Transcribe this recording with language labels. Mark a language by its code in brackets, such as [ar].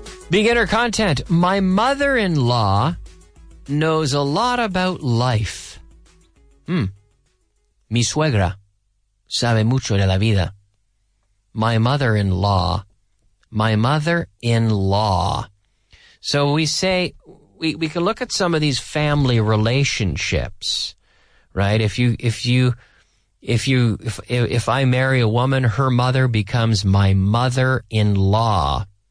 [en] Beginner content. My mother-in-law knows a lot about life. [es] Mi suegra sabe mucho de la vida. [en] My mother-in-law. So we say, we can look at some of these family relationships, right? If I marry a woman, her mother becomes my mother-in-law.